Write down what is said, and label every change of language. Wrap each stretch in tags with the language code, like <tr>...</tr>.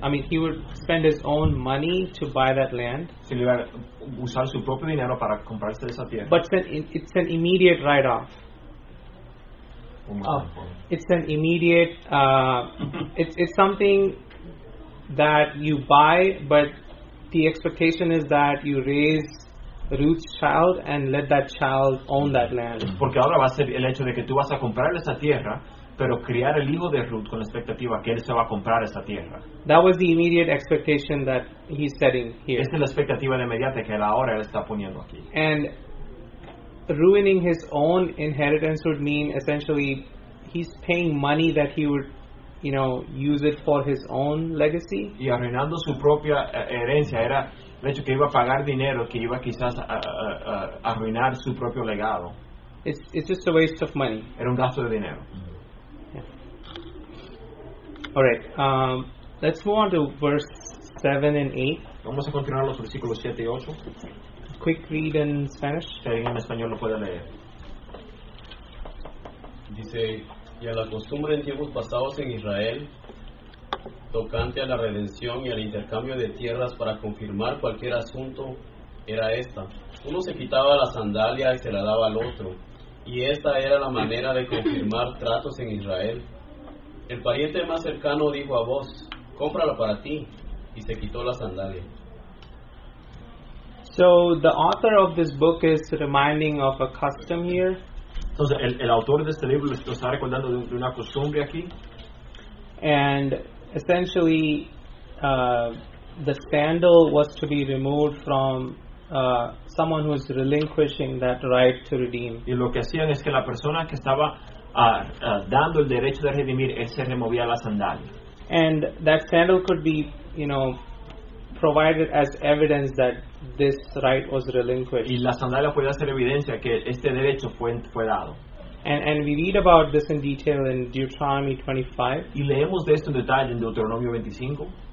<en>He would spend his own money to buy that land.</en> <es>Se le va a usar su propio dinero para comprarse esa tierra.</es> <en>But it's an immediate write-off. It's something that you buy, but the expectation is that you raise Ruth's child and let that child own that land.</en> <es>Porque ahora va a ser el hecho de que tú vas a comprarle esa tierra, pero criar el hijo de Ruth con la expectativa que él se va a comprar esa tierra.</es> <en>That was the immediate expectation that he's setting here.</en> <es>Esta es la expectativa de inmediata que él ahora está poniendo aquí.</es> <en>And ruining his own inheritance would mean essentially he's paying money that he would, you know, use it for his own legacy.</en> <es>Y arruinando su propia herencia era el hecho que iba a pagar dinero que iba quizás a arruinar su propio legado.</es> <en>It's just a waste of money.</en> <es>Era un gasto de dinero.</es> <en>All right. Let's move on to verse 7 and 8.</en> <es>Vamos a continuar los versículos 7 y 8.</es> <en>Quick read in Spanish.</en> <es>Si alguien en español lo puede leer. Dice, y a la costumbre en tiempos pasados en Israel, tocante a la redención y al intercambio de tierras para confirmar cualquier asunto, era esta. Uno se quitaba la sandalia y se la daba al otro. Y esta era la manera de confirmar tratos en Israel. El pariente más cercano dijo a vos, cómprala para ti, y se quitó la sandalia.</es> <en>So the author of this book is reminding of a custom here.</en> <es>Entonces el autor de este libro lo está recordando de una costumbre aquí.</es> <en>And essentially, the sandal was to be removed from someone who is relinquishing that right to redeem.</en> <es>Y lo que hacían es que la persona que estaba dando el derecho de redimir, él se removía la sandalia.</es> <en>And that sandal could be, you know, provided as evidence that this right was relinquished.</en> <es>Y la sandalia podía ser evidencia que este derecho fue dado.</es> <en>And we read about this in detail in Deuteronomy 25.</en> <es>Y leemos de esto en detalle en Deuteronomio 25.</es>